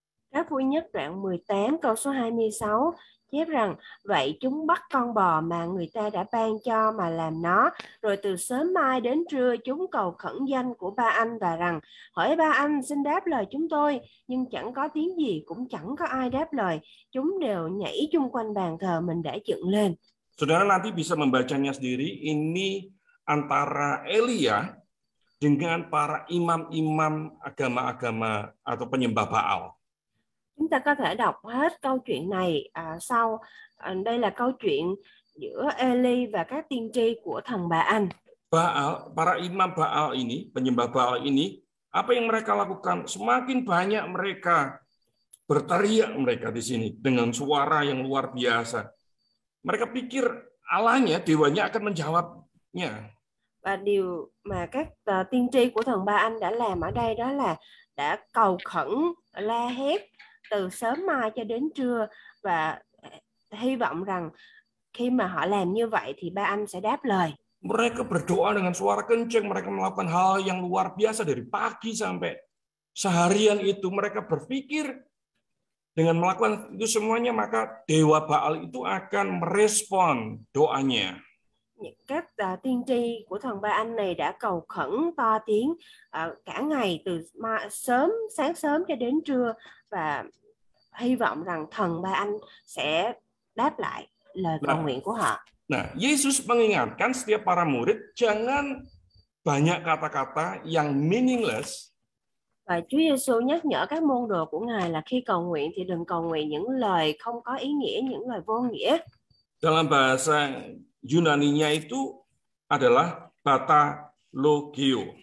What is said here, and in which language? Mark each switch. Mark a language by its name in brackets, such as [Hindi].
[Vietnamese] Các vua nhất đoạn 18 câu số 26 chép rằng: Vậy chúng bắt con bò mà người ta đã ban cho mà làm nó, rồi từ sớm mai đến trưa chúng cầu khẩn danh của ba anh và rằng: Hỡi ba anh, xin đáp lời chúng tôi. Nhưng chẳng có tiếng gì, cũng chẳng có ai đáp lời. Chúng đều nhảy chung quanh bàn thờ mình đã dựng lên. [Indonesian] Saudara nanti bisa membacanya sendiri, ini antara Elia dengan para imam-imam agama-agama atau penyembah Baal. [Vietnamese] Chúng ta có thể đọc hết câu chuyện này sau. Đây là câu chuyện giữa Eli và các tiên tri của thần Baal. [Indonesian] Baal, para imam Baal ini, penyembah Baal ini, apa yang mereka lakukan? Semakin banyak mereka berteriak mereka di sini dengan suara yang luar biasa. Mereka pikir Allahnya, dewanya akan menjawabnya. [Vietnamese] Và điều mà các tiên tri của thần Baal đã làm ở đây đó là đã cầu khẩn, la hét từ sớm mai cho đến trưa và hy vọng rằng khi mà họ làm như vậy thì ba anh sẽ đáp lời. [Indonesian] Mereka berdoa dengan suara kenceng, mereka melakukan hal yang luar biasa dari pagi sampai seharian itu. Mereka berpikir dengan melakukan itu semuanya maka dewa Baal itu akan merespon doanya. [Vietnamese] Các tiên tri của thần Ba Anh này đã cầu khẩn to tiếng cả ngày từ sớm sáng sớm cho đến trưa và hy vọng rằng thần Ba Anh sẽ đáp lại lời cầu nguyện của họ. [Indonesian] Nah, Yesus mengingatkan setiap para murid jangan banyak kata-kata yang meaningless. [Vietnamese] Và Chúa Giêsu nhắc nhở các môn đồ của Ngài là khi cầu nguyện thì đừng cầu nguyện những lời không có ý nghĩa, những lời vô nghĩa. [Indonesian] Dalam bahasa Yunani-nya itu adalah bata logio.